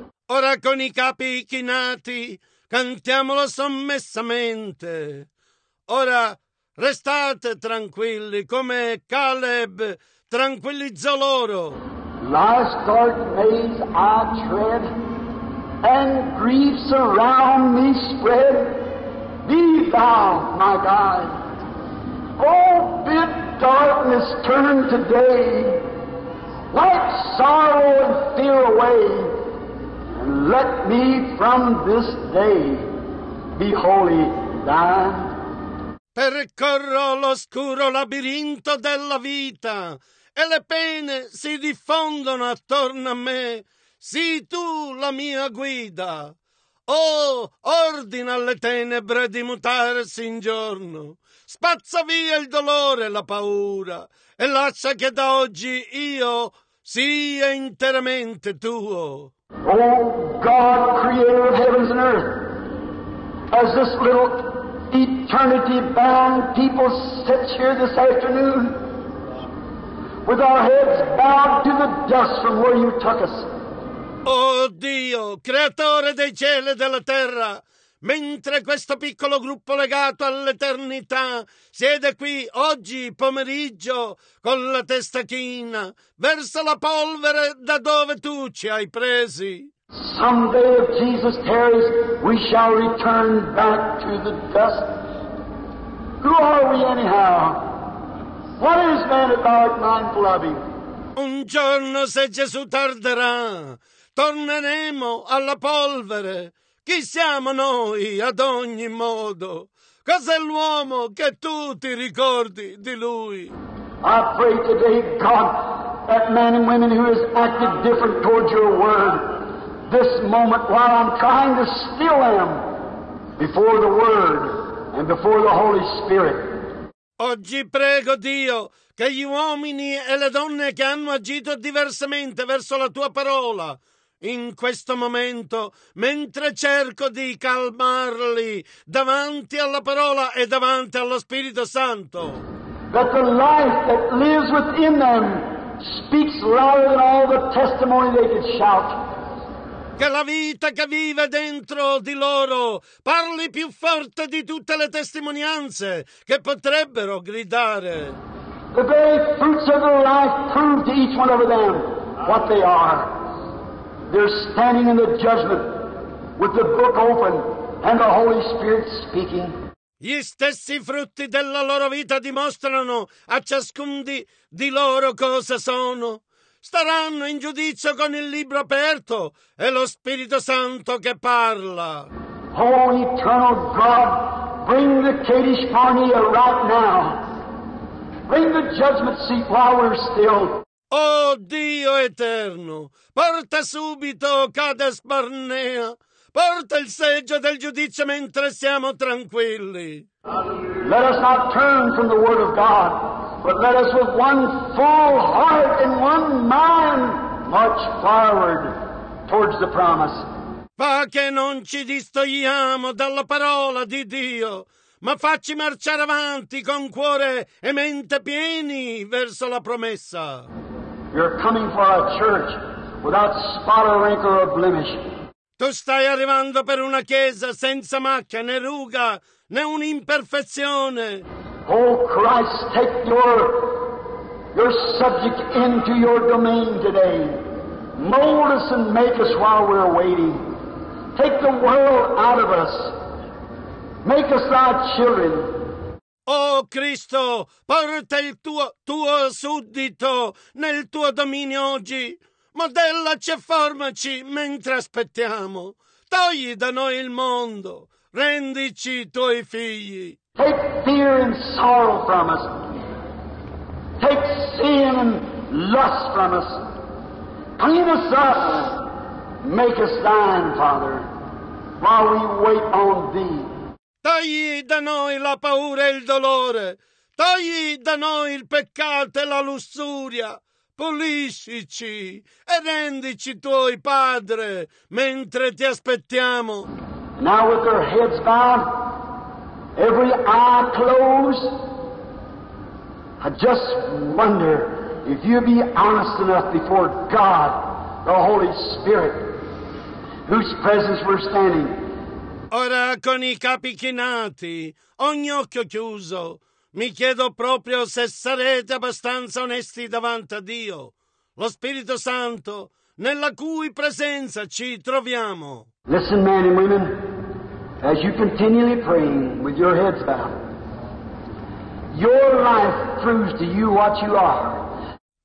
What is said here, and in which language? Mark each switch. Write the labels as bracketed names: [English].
[Italian] Ora con i capi chinati, cantiamolo sommessamente. Ora restate tranquilli come Caleb tranquillizzò loro. [English] Life's dark maze I tread, and griefs around me spread. Be thou my guide. Oh, bid darkness turn to day. Let sorrow and fear away. And let me from this day be wholly thine. [Italian] Percorro l'oscuro labirinto della vita. E le pene si diffondono attorno a me. Sii tu la mia guida. Oh, ordina alle tenebre di mutarsi in giorno. Spazza via il dolore e la paura. E lascia che da oggi io sia interamente tuo. [English] Oh, God, creator of heavens and earth, as this little eternity-bound people sits here this afternoon, with our heads bowed to the dust from where you took us. [Italian] Oh Dio, creatore dei cieli e della terra, mentre questo piccolo gruppo legato all'eternità siede qui oggi pomeriggio con la testa china, versa la polvere da dove tu ci hai presi. [English] Someday if Jesus tarries, we shall return back to the dust. Who are we anyhow? What is man about mindful of him? [Italian] Un giorno, se Gesù tarderà, torneremo alla polvere. chi siamo noi ad ogni modo? Cos'è l'uomo che tu ti ricordi di lui? [English] I pray today, God, that man and women who has acted different towards your word, this moment while I'm trying to still am before the word and before the Holy Spirit. [Italian] Oggi prego Dio che gli uomini e le donne che hanno agito diversamente verso la tua parola, in questo momento, mentre cerco di calmarli davanti alla parola e davanti allo Spirito Santo, [English] that the life that lives within them speaks louder than all the testimony they could shout. [Italian] Che la vita che vive dentro di loro parli più forte di tutte le testimonianze che potrebbero gridare. [English] The very fruits of their life prove to each one of them what they are. They're standing in the judgment with the book open and the Holy Spirit speaking. [Italian] Gli stessi frutti della loro vita dimostrano a ciascun di loro cosa sono. Staranno in giudizio con il libro aperto e lo Spirito Santo che parla. [English] Oh, eternal God, bring the Kadesh Barnea right now. Bring the judgment seat while we're still. [Italian] Oh, Dio eterno, porta subito Kadesh Barnea. Porta il seggio del giudizio mentre siamo tranquilli. [English] Let us not turn from the word of God, but let us with one full heart and one mind march forward towards the promise. [Italian] Fa che non ci distogliamo dalla parola di Dio, ma facci marciare avanti con cuore e mente pieni verso la promessa. [English] You're coming for a church without spot or wrinkle or blemish. [Italian] Tu stai arrivando per una chiesa senza macchia, né ruga, né un'imperfezione. [English] Oh Christ, take your subject into your domain today. Mold us and make us while we're waiting. Take the world out of us. Make us thy children. [Italian] Oh Cristo, porta il tuo suddito nel tuo dominio oggi. Modellaci e formaci mentre aspettiamo. Togli da noi il mondo. Rendici i tuoi figli. [English] Take fear and sorrow from us. Take sin and lust from us. Clean us up. Make us thine, Father, while we wait on thee. [Italian] Togli da noi la paura e il dolore. Togli da noi il peccato e la lussuria. Puliscici e rendici tuoi padre mentre ti aspettiamo. [English] Now with their heads bowed, every eye closed, I just wonder if you be honest enough before God, the Holy Spirit, whose presence we're standing. [Italian] Ora con i capi chinati, ogni occhio chiuso, mi chiedo proprio se sarete abbastanza onesti davanti a Dio, lo Spirito Santo, nella cui presenza ci troviamo. [English] Listen, men and women, as you continually pray with your heads bowed, your life proves to you what you are.